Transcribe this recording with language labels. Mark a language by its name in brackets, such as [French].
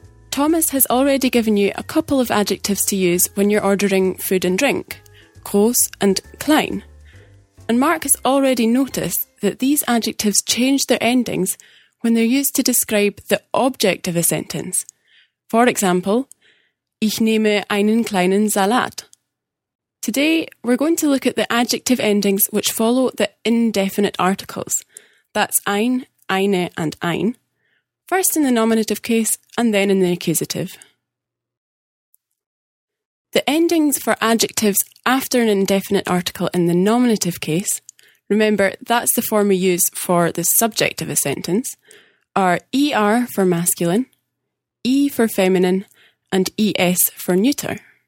[English] Thomas has already given you a couple of adjectives to use when you're ordering food and drink, groß and klein. And Mark has already noticed that these adjectives change their endings when they're used to describe the object of a sentence. For example, [German] ich nehme einen kleinen Salat. [English] Today, we're going to look at the adjective endings which follow the indefinite articles. That's ein, eine and ein, first in the nominative case and then in the accusative. The endings for adjectives after an indefinite article in the nominative case, remember that's the form we use for the subject of a sentence, are er for masculine, e for feminine and es for neuter.